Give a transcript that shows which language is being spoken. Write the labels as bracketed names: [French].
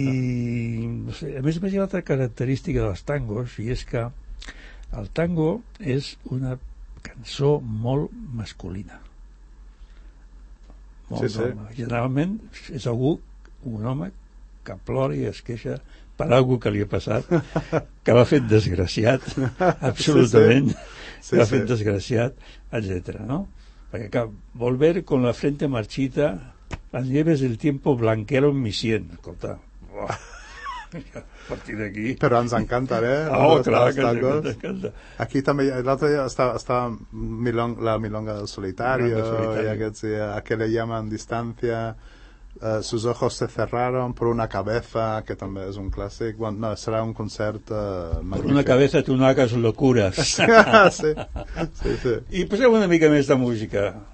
[Catalan] I, no sé, a més hi ha una altra característica dels tangos, i és que el tango és una cançó molt masculina. Molt sí, d'home. Sí. Generalment és algú, un home, que plora i es queixa per algú que li ha passat, que l'ha fet desgraciat, absolutament. Sí, sí. Sí, l'ha fet sí. Desgraciat, etc. No? Perquè que [Spanish] volver con la frente marchita, las nieves del tiempo blanquearon mi sien. [Catalan] Escolta, a partir d'aquí. Però ens encanta, eh? Oh, clar, que ens encanta. Aquí també, l'altre dia estava la Milonga del Solitario, i aquests, aquella llama en distància, [Spanish] Sus ojos se cerraron por una cabeza, [Catalan] que també és un clàssic. Bueno, no, serà un concert magnífic. [Spanish] Por una cabeza tú no hagas locuras. [Catalan] Sí. I posem una mica més de música.